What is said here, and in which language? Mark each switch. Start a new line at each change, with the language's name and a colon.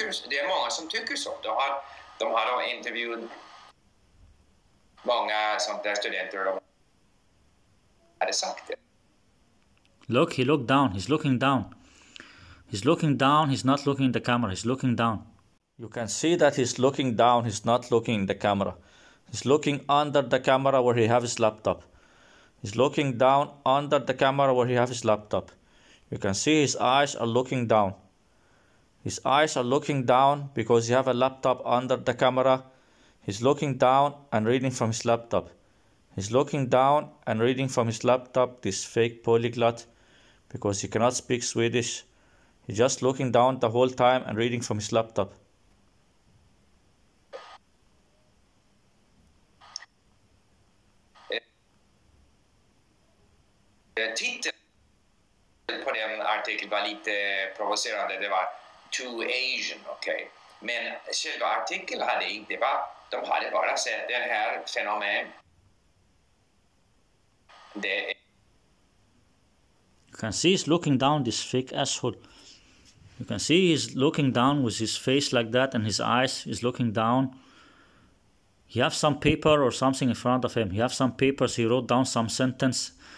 Swedish: Det är många som tycker så. De har då intervjuat många sånt där studenter och de hade sagt det.
English: Look, he looked down, he's looking down. He's looking down, he's not looking in the camera, he's looking down. You can see that he's looking down, he's not looking in the camera. He's looking under the camera where he has his laptop. He's looking down under the camera where he has his laptop. You can see his eyes are looking down. His eyes are looking down because he has a laptop under the camera. He's looking down and reading from his laptop. He's looking down and reading from his laptop, this fake polyglot. because he cannot speak Swedish. He's just looking down the whole time and reading from his laptop.
Swedish: Titeln på den artikeln var lite provocerande. Det var
English: too Asian, okay.
Swedish: Men själva artikeln hade inte var. De hade bara sett den här fenomen. Det är
English: You can see he's looking down, this fake asshole. You can see he's looking down with his face like that and his eyes is looking down. He has some paper or something in front of him. He has some papers, he wrote down some sentence.